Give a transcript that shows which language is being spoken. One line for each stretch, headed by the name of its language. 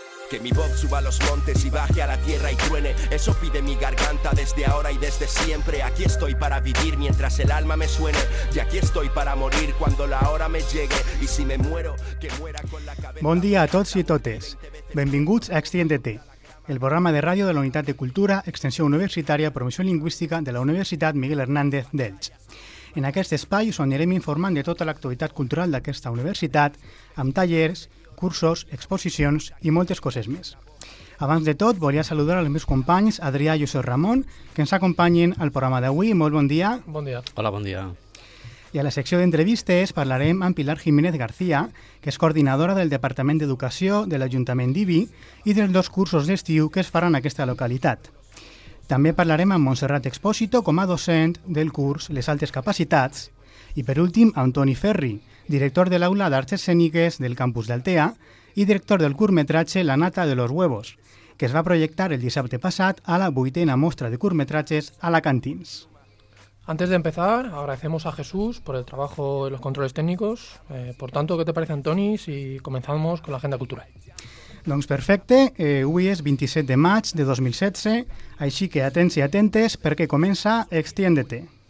Spanish: Que mi voz suba a los montes y baje a la tierra y truene, eso pide mi garganta desde ahora y desde siempre. Aquí estoy para vivir mientras el alma me suene, y aquí estoy para morir cuando la hora me llegue. Y si me muero, que muera con la cabeza.
Catalan: Bon dia a tots i totes. Benvinguts a Extiéndete, el programa de ràdio de la Unitat de Cultura, Extensió Universitària, Promoció Lingüística de la Universitat Miguel Hernández d'Elx. En aquest espai us anirem informant de tota l'actualitat cultural d'aquesta universitat, amb tallers, cursos, exposicions i moltes coses més. Abans de tot, volia saludar els meus companys Adrià i Josep Ramon, que ens acompanyen al programa d'avui. Molt bon dia. Bon dia. Hola, bon dia. I a la secció d'entrevistes parlarem amb Pilar Jiménez García, que és coordinadora del Departament d'Educació de l'Ajuntament d'IBI i dels dos cursos d'estiu que es faran en aquesta localitat. També parlarem amb Montserrat Expósito com a docent del curs Les Altes Capacitats i, per últim, amb Toni Ferri, director de l'Aula d'Arts Escèniques del campus d'Altea i director del curtmetratge La Nata de los Huevos, que es va projectar el dissabte passat a la 8ª mostra de curtmetratges Alacantins.
Spanish: Antes de empezar, agradecemos a Jesús por el trabajo en los controles técnicos. Por tanto, ¿qué te parece, Antoni, si comenzamos con la agenda cultural?
Catalan: Doncs perfecte. Avui és 27 de maig de 2016, així que atents i atentes perquè comença Extiéndete.